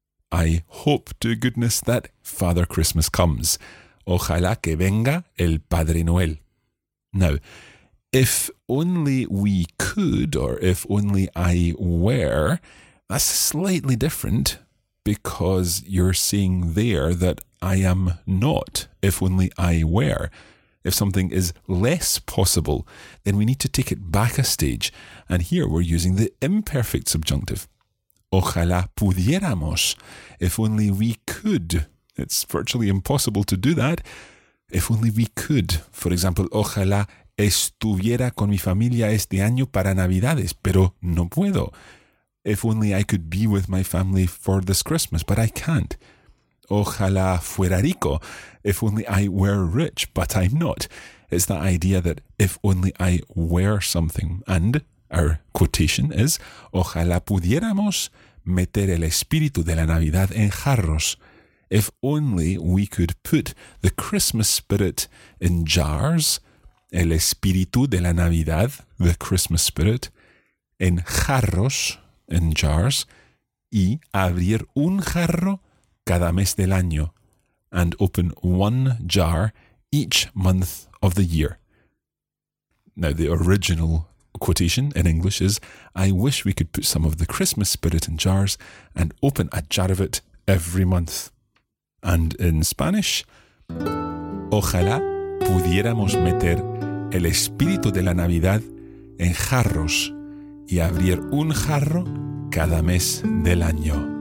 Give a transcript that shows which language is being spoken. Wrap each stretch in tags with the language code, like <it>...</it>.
<en>I hope to goodness that Father Christmas comes.</en> <es>Ojalá que venga el Padre Noel.</es> <en>Now, if only we could, or if only I were, that's slightly different because you're saying there that I am not, if only I were. If something is less possible, then we need to take it back a stage. And here we're using the imperfect subjunctive.</en> <es>Ojalá pudiéramos.</es> <en>If only we could. It's virtually impossible to do that. If only we could.</en> <es>For example, ojalá estuviera con mi familia este año para Navidades, pero no puedo.</es> <en>If only I could be with my family for this Christmas, but I can't.</en> <es>Ojalá fuera rico.</es> <en>If only I were rich, but I'm not. It's that idea that if only I were something. And our quotation is,</en> <es>ojalá pudiéramos meter el espíritu de la Navidad en jarros.</es> <en>If only we could put the Christmas spirit in jars,</en> <es>el espíritu de la Navidad,</es> <en>the Christmas spirit,</en> <es>en jarros,</es> <en>in jars,</en> <es>y abrir un jarro cada mes del año,</es> <en>and open one jar each month of the year. Now, the original quotation in English is, I wish we could put some of the Christmas spirit in jars and open a jar of it every month. And in Spanish,</en> <es>ojalá pudiéramos meter el espíritu de la Navidad en jarros y abrir un jarro cada mes del año.</es>